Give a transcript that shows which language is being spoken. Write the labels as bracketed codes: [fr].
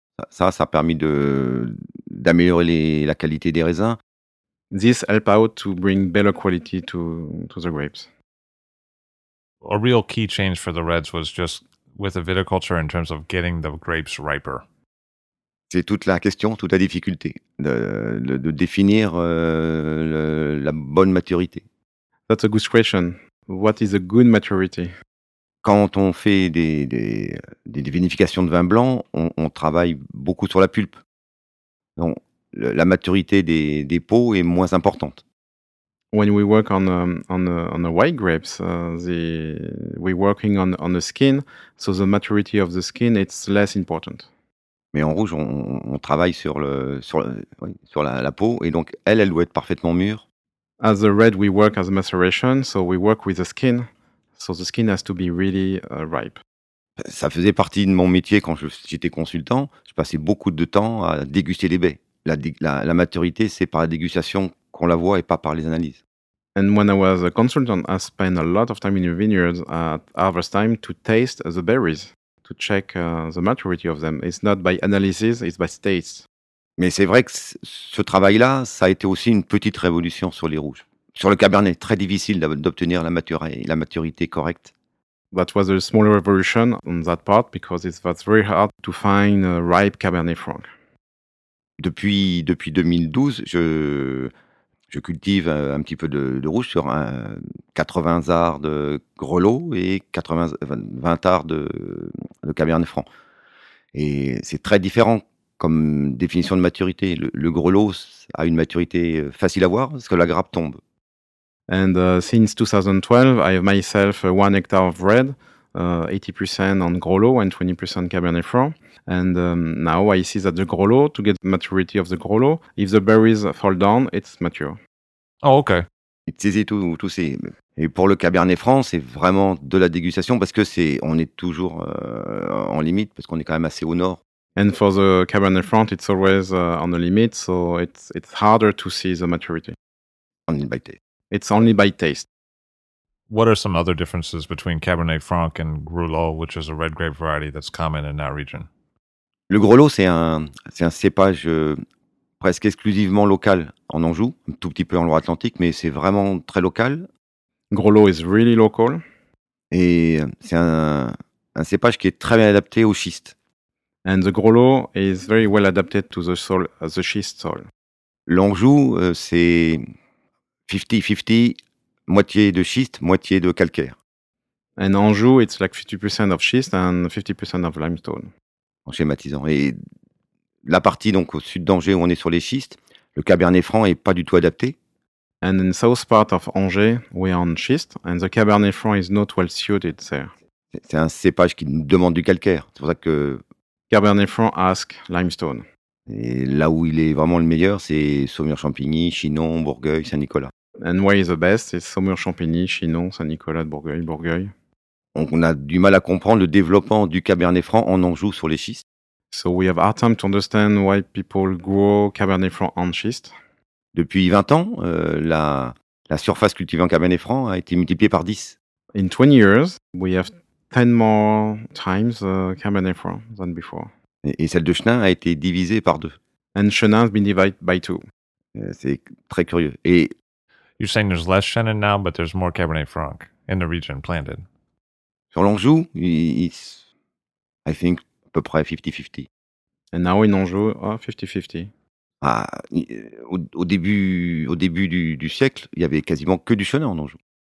[fr] Ça a permis d'améliorer la qualité des raisins. [en] This helped out to bring better quality to the grapes. A real key change for the reds was just with the viticulture in terms of getting the grapes riper. [fr] C'est toute la question, toute la difficulté de définir la bonne maturité. [en] That's a good question. What is a good maturity? [fr] Quand on fait des vinifications de vin blanc, on travaille beaucoup sur la pulpe. Donc la maturité des peaux est moins importante. [en] When we work on the white grapes, we're working on the skin, so the maturity of the skin it's less important. [fr] Mais en rouge, on travaille sur la peau et donc elle doit être parfaitement mûre. [en] As the red, we work as maceration, so we work with the skin, so the skin has to be really ripe. [fr] Ça faisait partie de mon métier quand j'étais consultant. Je passais beaucoup de temps à déguster les baies. La maturité, c'est par la dégustation qu'on la voit et pas par les analyses. [en] And when I was a consultant, I spent a lot of time in the vineyards at harvest time to taste the berries. To check the maturity of them. It's not by analysis, it's by taste. [fr] Mais c'est vrai que ce travail-là, ça a été aussi une petite révolution sur les rouges. Sur le cabernet, très difficile d'obtenir la maturité correcte. [en] That was a small revolution on that part, because it was very hard to find a ripe cabernet franc. [fr] Depuis 2012, je cultive un petit peu de rouge sur 80 arts de grelot et 20 arts de cabernet franc. Et c'est très différent comme définition de maturité. Le grelot a une maturité facile à voir parce que la grappe tombe. [en] And since 2012, I have myself 1 hectare of red, 80% on grelot and 20% cabernet franc. And now I see that the grelot, to get the maturity of the grelot, if the berries fall down, it's mature. Oh, okay. It's easy to see. [fr] Et pour le cabernet franc, c'est vraiment de la dégustation parce que on est toujours en limite parce qu'on est quand même assez au nord. [en] And for the cabernet franc, it's always on the limit, so it's harder to see the maturity. Only by taste. It's only by taste. What are some other differences between cabernet franc and grelot, which is a red grape variety that's common in that region? [fr] Le grelot, c'est un cépage presque exclusivement local en Anjou, un tout petit peu en Loire-Atlantique, mais c'est vraiment très local. [en] Grelot is really local. [fr] Et c'est un cépage qui est très bien adapté au schiste. [en] And the grelot is very well adapted to the soil, the schist soil. [fr] L'Anjou, c'est 50-50, moitié de schiste, moitié de calcaire. [en] And Anjou, it's like 50% of schist and 50% of limestone. [fr] en schématisant. Et la partie donc au sud d'Angers où on est sur les schistes, le Cabernet Franc est pas du tout adapté. [en] And in the south part of Angers, we are on schist, and the Cabernet Franc is not well suited there. [fr] C'est un cépage qui nous demande du calcaire. C'est pour ça que [en] Cabernet Franc ask limestone. [fr] Et là où il est vraiment le meilleur, c'est Saumur-Champigny, Chinon, Bourgueil, Saint-Nicolas. [en] And why is the best? It's Saumur-Champigny, Chinon, Saint-Nicolas de Bourgueil, Bourgueil. [fr] On a du mal à comprendre le développement du Cabernet Franc en Anjou sur les schistes. [en] So we have hard time to understand why people grow Cabernet Franc on schist. [fr] Depuis 20 ans, la surface cultivée en Cabernet Franc a été multipliée par 10. [en] In 20 years, we have 10 more times Cabernet Franc than before. [fr] Et celle de Chenin a été divisée par 2. [en] And Chenin has been divided by 2. [fr] C'est très curieux. Et [en] you're saying there's less Chenin now, but there's more Cabernet Franc in the region planted. [fr] Sur l'Anjou, [en] it's, I think, [fr] à peu près 50-50. [en] And now in Anjou, 50-50. [fr] Ah, au début du siècle, il y avait quasiment que du Chenin en Anjou.